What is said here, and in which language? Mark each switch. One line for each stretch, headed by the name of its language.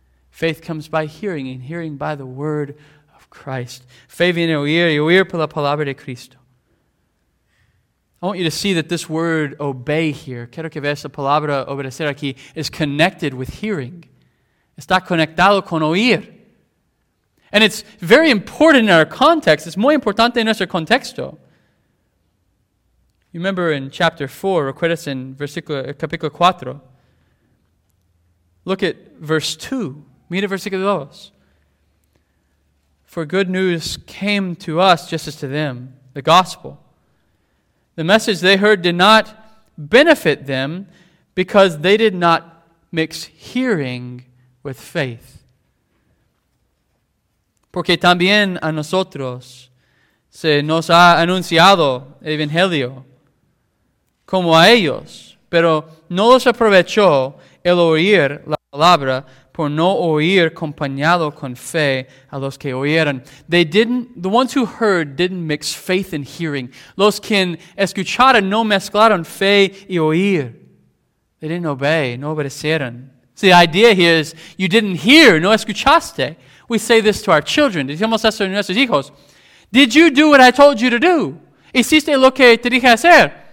English: Faith comes by hearing, and hearing by the word of Christ.
Spanish: Fe viene oír, y oír por la palabra de Cristo.
English: I want you to see that this word obey here,
Spanish: quiero que veas la palabra obedecer aquí,
English: is connected with hearing.
Spanish: Está conectado con oír.
English: And it's very important in our context.
Spanish: It's muy importante en nuestro contexto.
English: You remember in chapter 4,
Spanish: recuerdas en capítulo 4.
English: Look at verse 2.
Spanish: Mira versículo 2.
English: For good news came to us just as to them, the gospel. The message they heard did not benefit them because they did not mix hearing with faith.
Spanish: Porque también a nosotros se nos ha anunciado el evangelio como a ellos, pero no los aprovechó el oír la palabra por no oír acompañado con fe a los que oyeron.
English: The ones who heard didn't mix faith and hearing.
Spanish: Los quien escucharon no mezclaron fe y oír.
English: They didn't obey,
Spanish: no obedecieron.
English: So the idea here is, you didn't hear,
Spanish: no escuchaste.
English: We say this to our children.
Spanish: Decimos esto a nuestros hijos.
English: Did you do what I told you to do?
Spanish: ¿Hiciste lo que te dije hacer?